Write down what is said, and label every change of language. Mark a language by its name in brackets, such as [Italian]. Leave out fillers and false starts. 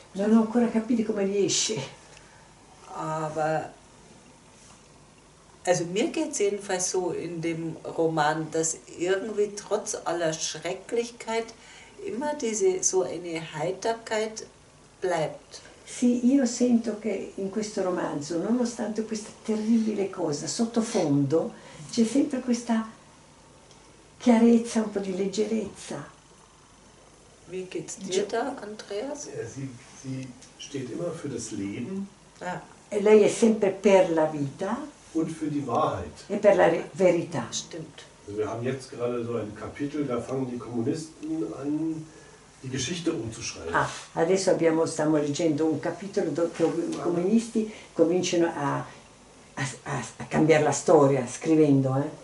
[Italian] Non ho ancora capito come riesce. [German] Aber, also mir geht es jedenfalls so in dem Roman, dass irgendwie trotz aller Schrecklichkeit immer diese, so eine Heiterkeit bleibt. [Italian] Sì, io sento che in questo romanzo, nonostante questa terribile cosa, sottofondo, c'è sempre questa chiarezza, un po' di leggerezza. [German] Wie geht's dir da, Andreas? Ja, sie steht immer für das Leben. [Italian] E lei è sempre per la vita. [German] Und für die Wahrheit. [Italian] E per la verità. [German] Stimmt. Also wir haben jetzt gerade so ein Kapitel, da fangen die Kommunisten an, die Geschichte umzuschreiben. [Italian] Ah, adesso abbiamo, stiamo leggendo un capitolo dove i comunisti cominciano a cambiare la storia, scrivendo.